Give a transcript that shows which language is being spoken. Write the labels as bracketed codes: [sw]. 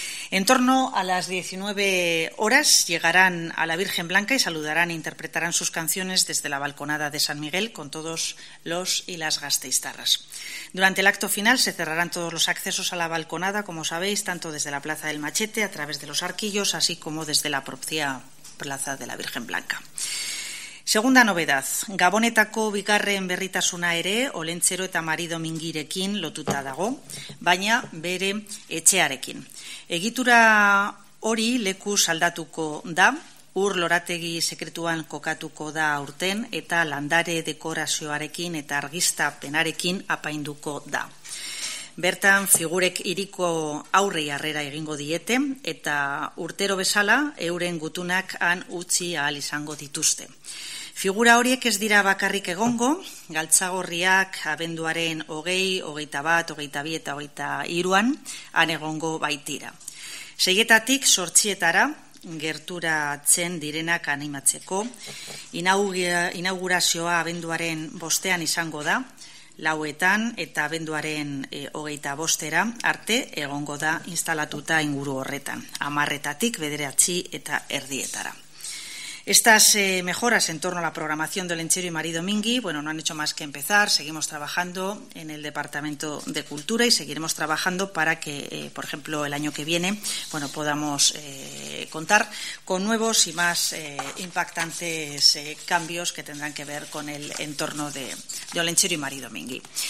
[es] En torno a las 19 horas llegarán a la Virgen Blanca y saludarán e interpretarán sus canciones desde la balconada de San Miguel con todos los y las gasteiztarras. Durante el acto final se cerrarán todos los accesos a la balconada, como sabéis, tanto desde la Plaza del Machete, a través de los arquillos, así como desde la propia Plaza de la Virgen Blanca. Segunda novedad, [eu] Gabonetako bigarren berritasuna ere, Olentzero eta Mari Domingirekin lotuta dago, baina bere etxearekin. Egitura hori leku saldatuko da, ur lorategi sekretuan kokatuko da aurten, eta landare dekorazioarekin eta argiztapenarekin apainduko da. Bertan, figurek hiriko aurrei harrera egingo diete, eta urtero bezala, euren gutunak han utzi ahal izango dituzte. Figura horiek ez dira bakarrik egongo, galtzagorriak abenduaren 20, 21, 22 eta 23an han egongo baitira. Seietatik 8etara gerturatzen direnak animatzeko, inaugurazioa abenduaren 5ean izango da, 4etan eta abenduaren 25era arte egongo da instalatuta inguru horretan, 10:00 eta 9:30. [es] Estas mejoras en torno a la programación de Olentzero y Mari Domingui, bueno, no han hecho más que empezar. Seguimos trabajando en el Departamento de Cultura y seguiremos trabajando para que, por ejemplo, el año que viene, bueno, podamos contar con nuevos y más impactantes cambios que tendrán que ver con el entorno de Olentzero y Mari Domingui.